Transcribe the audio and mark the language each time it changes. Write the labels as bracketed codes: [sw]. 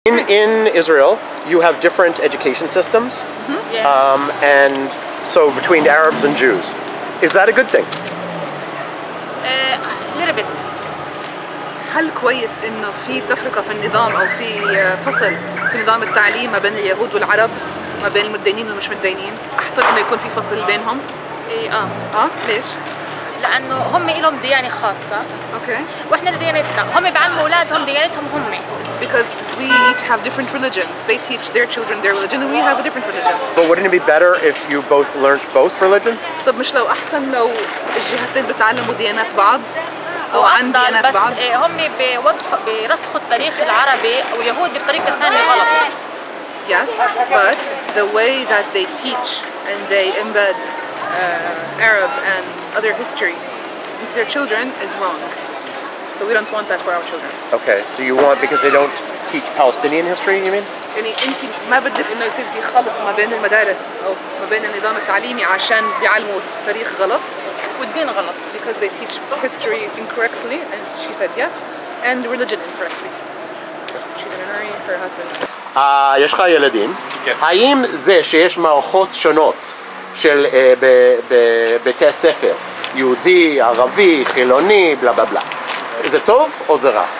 [en] In Israel, you have different education systems, and so between Arabs and Jews. Is that a good thing? A little bit. [ar] هل كويس إنه في تفرقة في النظام أو في فصل في نظام التعليم ما بين اليهود والعرب ما بين المدينين والمش مدينين؟ أحسن إنه يكون في فصل بينهم؟ ليش؟ لأنه هم إلهم ديانة خاصة. أوكي. وإحنا ديانتنا. هم بعلموا أولادهم ديانتهم هم. [en] Because we each have different religions. They teach their children their religion and we have a different religion. But wouldn't it be better if you both learned both religions? [ar] طب مش لو أحسن لو الجهتين بتعلموا ديانات بعض؟ أو عندنا بس بعض. هم برسخوا التاريخ العربي واليهود بطريقة ثانية غلط. [en] Yes, but the way that they teach and they embed Arab and other history into their children is wrong. So we don't want that for our children. Okay, so you want because they don't teach Palestinian history, you mean? [ar] يعني أنت ما بدك إنه يصير في خلط ما بين المدارس أو ما بين النظام التعليمي عشان بيعلموا تاريخ غلط. والدين غلط. [en] Because they teach history incorrectly, and she said yes, and religion incorrectly. She's in a hurry, her husband. [he] יש לך ילדים, האם זה שיש מערכות שונות של בבתי הספר, יהודי, ערבי, חילוני, בלה בלה בלה, זה טוב או זה רע?